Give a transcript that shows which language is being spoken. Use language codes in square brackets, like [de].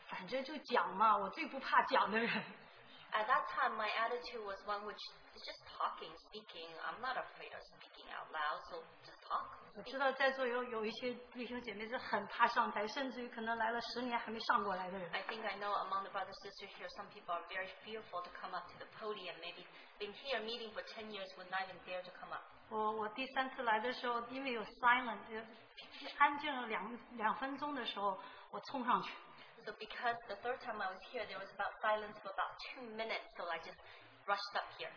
[zh] 当时我觉得我是抱着一个，反正就讲嘛，我最不怕讲的人。 [en] At that time, my attitude was one which is just talking, speaking. I'm not afraid of speaking out loud, so just talk. [zh] 我知道在座有一些弟兄姐妹是很怕上台，甚至于可能来了10年还没上过来的人。 [en] I think I know among the brothers and sisters here, some people are very fearful to come up to the podium. Maybe been here meeting for 10 years, would not even dare to come up. [zh] 我第三次来的时候，因为有 silent, 安静了两分钟的时候，我冲上去。 [en] So because the third time I was here, there was about silence for about 2 minutes, so I just rushed up here.